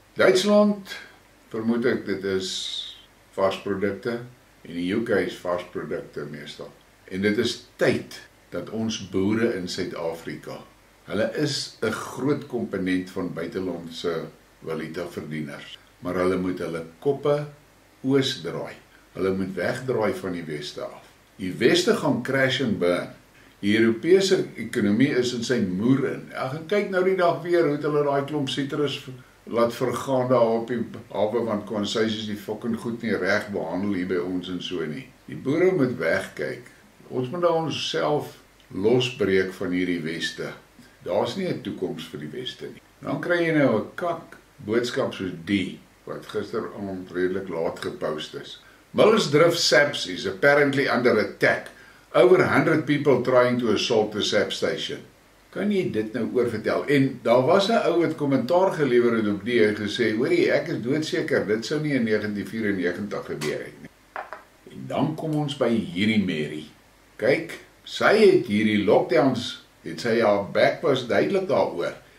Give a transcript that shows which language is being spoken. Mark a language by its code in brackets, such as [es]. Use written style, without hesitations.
[af] Duitsland, vermoed ek dit is varsprodukte en die UK is varsprodukte meestal. En dit is tyd dat ons boere in Suid-Afrika, hulle is 'n groot komponent van buitelandse valutaverdieners, maar hulle moet hulle koppe oos draai. Hulle moet wegdraai van die weste af. Die weste gaan [en] crash and burn. [af] Die Europese ekonomie is in sy moer in. Ek gaan kyk nou die dag weer hoe hulle daai klomp citrus laat vergaan daar op die hawe, want konsesies is die fucking goed nie reg behandel hier by ons en so nie. Die boere moet wegkyk. Ons moet nou onsself losbreek van hierdie weste. Daar's nie 'n toekoms vir die weste nie. Dan kry jy nou 'n kak boodskap soos die wat gister omtrent redelik laat gepost is. [en] Mills Drift Saps is apparently under attack. Over 100 people trying to assault the sap station. [af] Kan jy dit nou oorvertel? En daar was 'n ou wat kommentaar gelewer het op die en gesê, hoorie, ek is doodseker, dit sou nie in 1994 gebeur het nie. En dan kom ons by hierdie Mary. Kyk, sy het hierdie lockdowns, het sy haar back was duidelik daaroor.